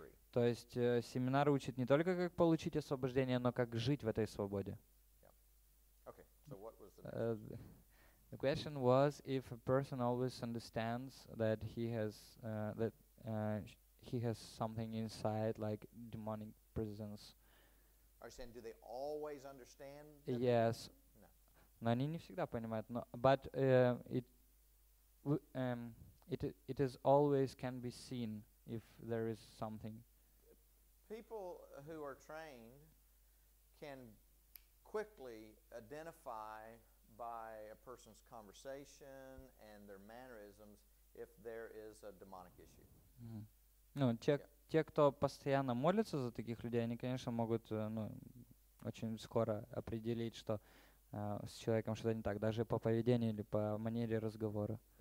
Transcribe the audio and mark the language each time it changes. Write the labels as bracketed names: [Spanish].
[Russian] то есть семинар учит не только, как получить освобождение, но как жить в этой свободе. [English] Yeah. Okay. So what was the question was, if a person always understands that he has something inside, like demonic presence. Are you saying, do they always understand? Yes. No. [Russian] Но они не всегда понимают. [English] No. But it is always can be seen if there is something. People who are trained can quickly identify by a person's conversation and their mannerisms if there is a demonic issue. [Russian] Ну, те, кто постоянно молится за таких людей, они, конечно, могут очень скоро определить, что с человеком что-то не так, даже по поведению или по манере разговора.